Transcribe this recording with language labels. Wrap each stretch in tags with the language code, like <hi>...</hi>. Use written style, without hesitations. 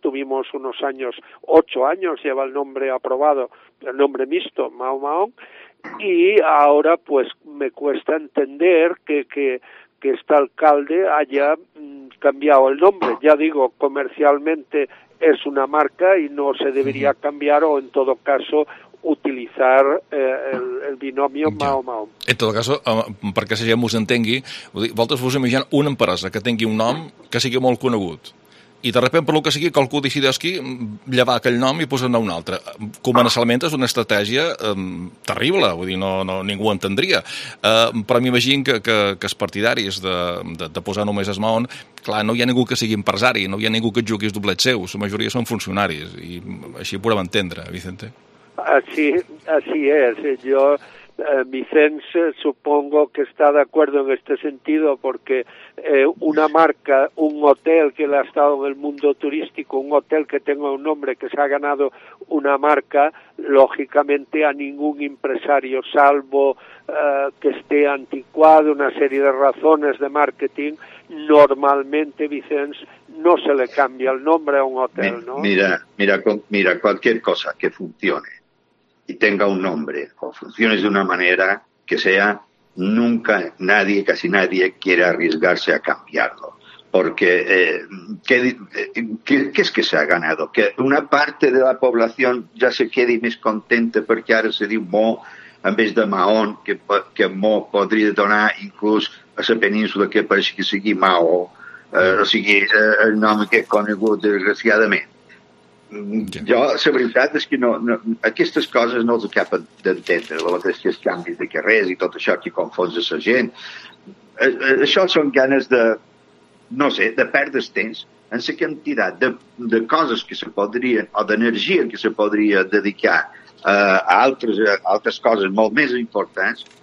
<es>Tuvimos unos años, 8 años lleva el nombre aprobado, el nombre mixto, Mahón, y ahora pues me cuesta entender que este alcalde haya cambiado el nombre. Ya digo, comercialmente es una marca y no se debería cambiar, o en todo caso utilitzar el binomio Mahón.</es> <ca>En tot cas, perquè si ja m'ho entengui, vosaltres vos imaginant una empresa que tingui un nom que sigui molt conegut, i de sobte, per el que sigui, qualcú decideixi llevar aquell nom i posar-ne un altre. Comercialment és una estratègia terrible, vull dir, no ningú entendria. Però m'imagino que els partidaris de posar només es Mahón, clar, no hi ha ningú que sigui empresari, no hi ha ningú que jugui els doblets seus, la majoria són funcionaris, i així ho podem entendre, Vicente.</ca> <es>Así es. Yo, Vicens, supongo que está de acuerdo en este sentido, porque una marca, un hotel que le ha estado en el mundo turístico, un hotel que tenga un nombre, que se ha ganado una marca, lógicamente a ningún empresario, salvo que esté anticuado, una serie de razones de marketing, normalmente, Vicens, no se le cambia el nombre a un hotel, ¿no? Mira, cualquier cosa que funcione y tenga un nombre o funcione de una manera que sea, nunca nadie, casi nadie, quiere arriesgarse a cambiarlo. Porque ¿qué es que se ha ganado? Que una parte de la población ya se quede inescontente porque ahora se dice Mo en vez de Mahón, que Mo podría donar incluso a esa península que parece que sigue Mao, o sigue el nombre que es conegut, desgraciadamente.</es> <ca>Jo, la veritat és que no, aquestes coses no els cap d'entendre, la veritat és que els canvis de carrers i tot això que confonsa la gent. Això són ganes de, no sé, de perdre el temps en la quantitat de coses que se podria, o d'energia que se podria dedicar a altres coses molt més importants.</ca>